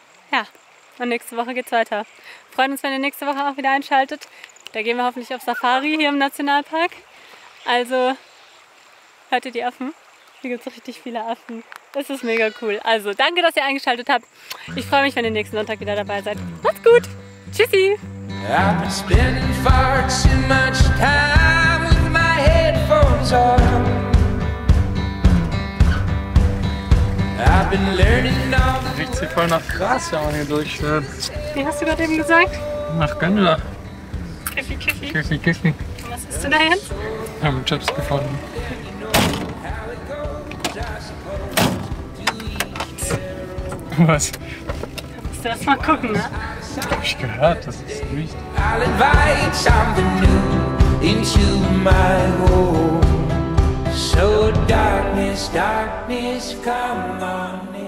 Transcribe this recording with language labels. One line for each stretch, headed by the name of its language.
German: Ja, und nächste Woche geht's weiter. Freuen uns, wenn ihr nächste Woche auch wieder einschaltet. Da gehen wir hoffentlich auf Safari hier im Nationalpark. Also, hört ihr die Affen? Hier gibt's richtig viele Affen. Das ist mega cool. Also, danke, dass ihr eingeschaltet habt. Ich freue mich, wenn ihr nächsten Sonntag wieder dabei seid. Macht's gut! Tschüssi!
English: I've been spending far too much time with my headphones on.
German: Riecht sie voll nach Gras, wenn man hier durchfährt. Wie hast du gerade eben gesagt? Nach Gambia. Kiffi, kiffi. Kiffi, kiffi. Was hast du da jetzt? Wir haben Chips gefunden. Was? Musst du erst mal gucken, ne? Hab ich gehört, dass es riecht.
English: I'll invite something new into my home. So darkness, darkness, come on.